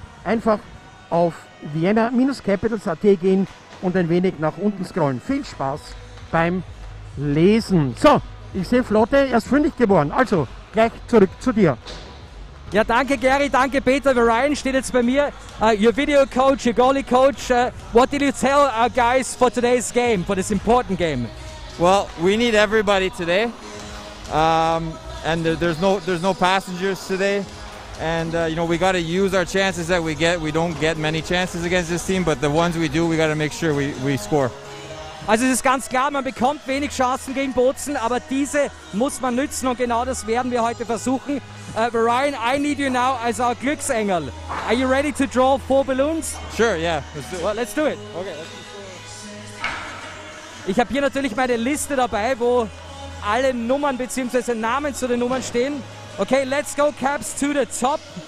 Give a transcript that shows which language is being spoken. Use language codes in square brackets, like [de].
[de] Einfach auf vienna-capitals.at gehen und ein wenig nach unten scrollen. Viel Spaß beim Lesen. So, ich sehe Flotte, er ist fündig geworden. Also, gleich zurück zu dir. Ja, danke Gary, danke Peter. Ryan steht jetzt bei mir. [en] Your video coach, your goalie coach. What did you tell our guys for today's game, for this important game? Well, we need everybody today. And there's no passengers today. And, you know, we got to use our chances that we get. We don't get many chances against this team, but the ones we do, we got to make sure we score. [de] Also es ist ganz klar, man bekommt wenig Chancen gegen Bozen, aber diese muss man nützen und genau das werden wir heute versuchen. [en] Ryan, I need you now as our Glücksengel. Are you ready to draw four balloons? Sure, yeah. Let's do it. Well, let's do it. Okay. [de] Ich habe hier natürlich meine Liste dabei, wo alle Nummern bzw. Namen zu den Nummern stehen. [en] Okay, let's go Caps to the top.